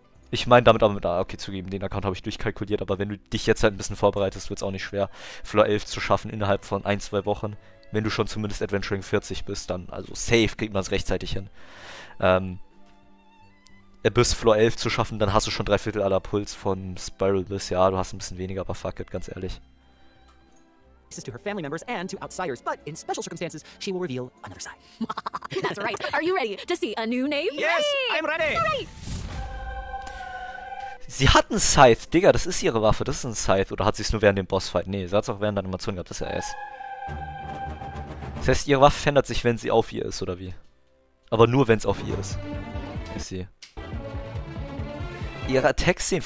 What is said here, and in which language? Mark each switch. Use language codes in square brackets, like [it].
[de] Ich meine damit aber, okay, zugeben, den Account habe ich durchkalkuliert, aber wenn du dich jetzt halt ein bisschen vorbereitest, wird es auch nicht schwer, Floor 11 zu schaffen innerhalb von 1-2 Wochen. Wenn du schon zumindest Adventuring 40 bist, dann, also safe, kriegt man es rechtzeitig hin. Abyss Floor 11 zu schaffen, dann hast du schon 3/4 aller Puls von Spiral Abyss. Ja, du hast ein bisschen weniger, aber fuck it, ganz ehrlich. [en] To her family members and to outsiders, but in special circumstances, she will reveal another side. That's right. Are you ready to see a new name? Yes, I'm ready. [de] Sie hat einen Scythe, Digga, das ist ihre Waffe, das ist ein Scythe. Oder hat sie es nur während dem Bossfight? Nee, sie hat es auch während der Animation gehabt, das ist ja S. Das heißt, ihre Waffe verändert sich, wenn sie auf ihr ist, oder wie? Aber nur, wenn es auf ihr ist. Ist sie. Ihre Attack-Szene.